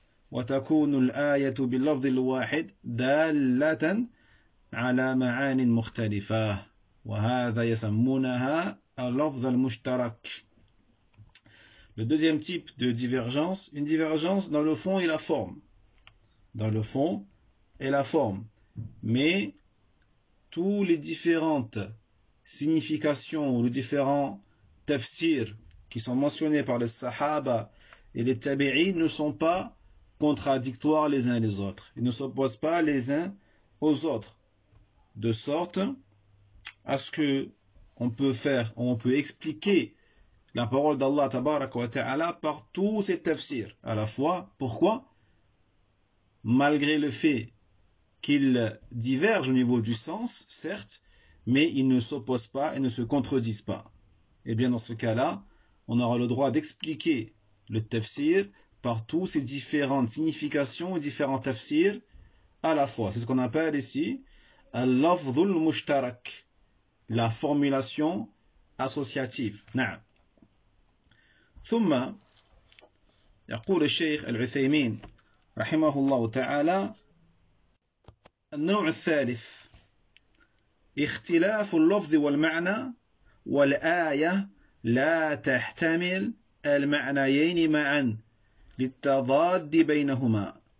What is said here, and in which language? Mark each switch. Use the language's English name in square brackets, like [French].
[Arabic] وتكون الآية باللفظ الواحد دالة على معان مختلفة، وهذا يسمونها اللفظ المشترك. [French] Le deuxième type de divergence, une divergence dans le fond et la forme. Dans le fond et la forme. Mais toutes les différentes significations ou les différents tafsirs qui sont mentionnés par les Sahaba et les Tabi'in ne sont pas contradictoires les uns les autres. Ils ne s'opposent pas les uns aux autres. De sorte à ce que on peut faire, on peut expliquer la parole d'Allah tabarak wa ta'ala par tous ces tafsirs à la fois. Pourquoi? Malgré le fait qu'ils divergent au niveau du sens, certes, mais ils ne s'opposent pas et ne se contredisent pas. Eh bien, dans ce cas-là, on aura le droit d'expliquer le tafsir par toutes ces différentes significations, différents tafsirs à la fois. C'est ce qu'on appelle ici al-lafdhul mushtarak, la formulation associative. [Arabic] Na'am. ثم يقول الشيخ العثيمين رحمه الله تعالى النوع الثالث اختلاف اللفظ والمعنى والآية لا تحتمل المعنيين معا للتضاد بينهما